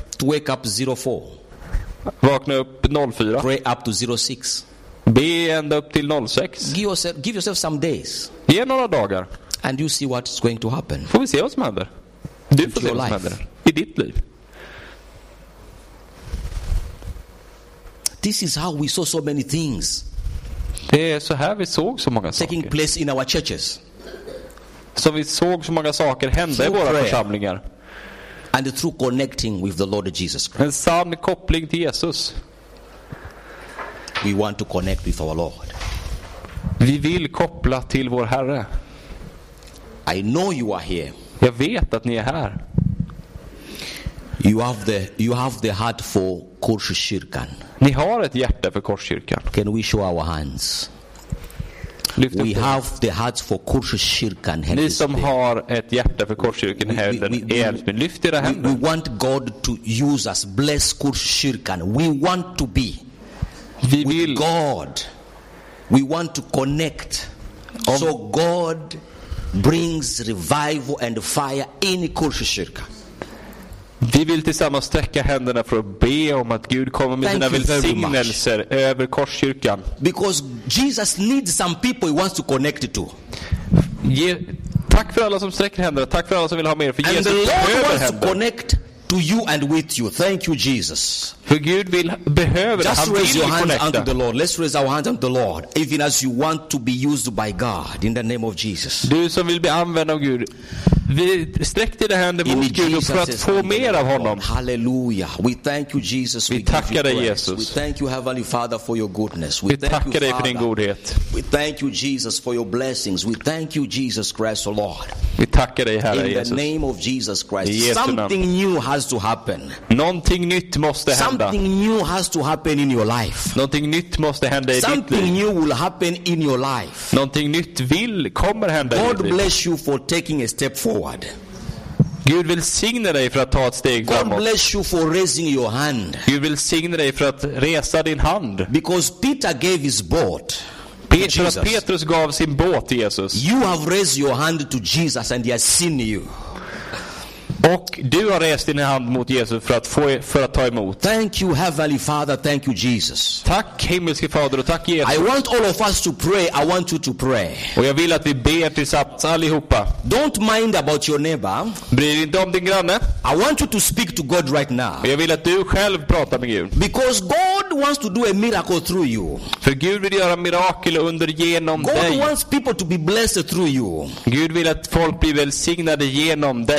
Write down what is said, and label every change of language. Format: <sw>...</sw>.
<en>To wake up 04.</en> <sv>Vakna upp 04.</sv> <en>Pray up to 06.</en> <sv>Be ända upp till 06.</sv> <en>Give yourself some days.</en> <sv>Ge några dagar.</sv> <en>And you see what's going to happen.</en> <sv>Får vi se vad som händer. Du får se vad som händer i ditt liv.</sv> <en>This is how we saw so many things.</en> <sv>Det är så här vi såg så många saker.</sv> <en>Taking place in our churches.</en> <sv>Så vi såg så många saker hända i våra församlingar.</sv> <en>And the true connecting with the Lord Jesus Christ.</en> <sv>En sann koppling till Jesus.</sv> <en>We want to connect with our Lord.</en> <sv>Vi vill koppla till vår Herre.</sv> <en>I know you are here.</en> <sv>Jag vet att ni är här.</sv> <en>You have the heart for Korskyrkan.</en> <sv>Ni har ett hjärta för Korskyrkan.</sv> <en>Can we show our hands? We have the hearts for Korskyrkan.</en> <sv>Ni som har ett hjärta för Korskyrkan, hälften, lyft era händer.</sv> <en>We want God to use us, bless Korskyrkan. We want to be with God. We want to connect. So God brings revival and fire in Korskyrkan.</en> <sv>Vi vill tillsammans sträcka händerna för att be om att Gud kommer med sina välsignelser över Korskyrkan.</sv> <en>Because Jesus needs some people he wants to connect to.</en> <sv>Tack för alla som sträcker händerna. Tack för alla som vill ha mer, för Jesus behöver händer.</sv> <en>And the Lord wants to connect to you and with you. Thank you Jesus.</en> <sv>För Gud vill behöver</sv> <en>just</en> <sv>han</sv> <en>raise</en> <sv>vill</sv> <en>your hands</en> <sv>connecta.</sv> <en>Unto the Lord. Let's raise our hands unto the Lord, even as you want to be used by God in the name of Jesus.</en> <sv>Du som vill bli använd av Gud. Vi sträckte det händer mot Gud för att få mer av honom.</sv> <en>Halleluja. We thank you Jesus.</en> <sv>Vi tackar dig Jesus.</sv> <en>We thank you Heavenly Father for your goodness.</en> <sv>Vi tackar dig för din godhet.</sv> <en>We thank you Jesus for your blessings. We thank you Jesus Christ, oh Lord.</en> <sv>Vi tackar dig Herre Jesus.</sv> <en>In the name of Jesus Christ. Something new has to happen.</en> <sv>Någonting nytt måste hända.</sv> <en>Something new has to happen in your life.</en> <sv>Någonting nytt måste hända i ditt liv.</sv> <en>Something new will happen in your life.</en> <sv>Någonting nytt kommer hända i ditt liv.</sv> <en>God bless you for taking a step forward.</en> <sv>Gud vill signa dig för att ta ett steg framåt.</sv> <en>God bless you for raising your hand.</en> <sv>Gud vill signa dig för att resa din hand.</sv> <en>Because Peter gave his boat.</en> <sv>Petrus gav sin båt till Jesus.</sv> <en>You have raised your hand to Jesus and he has seen you.</en> <sv>Och du har rest din hand mot Jesus för att ta emot.</sv> <en>Thank you Heavenly Father, thank you Jesus.</en> <sv>Tack himmelske Fader och tack Jesus.</sv> <en>I want all of us to pray. I want you to pray.</en> <sv>Och jag vill att vi ber tillsammans allihopa.</sv> <en>Don't mind about your neighbor.</en> <sv>Bry dig inte om din granne.</sv> <en>I want you to speak to God right now.</en> <sv>Och jag vill att du själv pratar med Gud.</sv> <en>Because God wants to do a miracle through you.</en> <sv>För Gud vill göra mirakel under genom</sv> <en>God</en> <sv>dig.</sv> <en>God wants people to be blessed through you.</en> <sv>Gud vill att folk blir välsignade genom dig.</sv>